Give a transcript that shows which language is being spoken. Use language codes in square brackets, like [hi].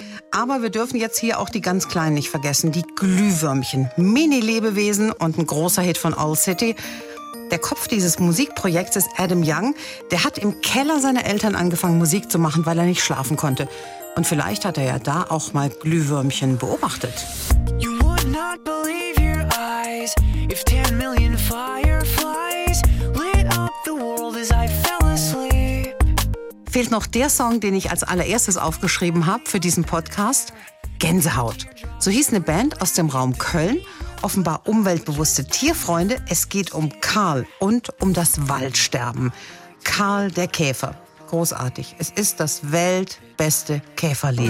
[de] Aber wir dürfen jetzt hier auch die ganz Kleinen nicht vergessen. Die Glühwürmchen, Mini-Lebewesen und ein großer Hit von All City. Der Kopf dieses Musikprojekts ist Adam Young. Der hat im Keller seiner Eltern angefangen, Musik zu machen, weil er nicht schlafen konnte. Und vielleicht hat er ja da auch mal Glühwürmchen beobachtet. [en] You would not believe your eyes if 10 million fireflies lit up the world as I fell asleep. [de] Fehlt noch der Song, den ich als allererstes aufgeschrieben habe für diesen Podcast? Gänsehaut. So hieß eine Band aus dem Raum Köln. Offenbar umweltbewusste Tierfreunde. Es geht um Karl und um das Waldsterben. Karl der Käfer. Großartig. Es ist das weltbeste Käferlied.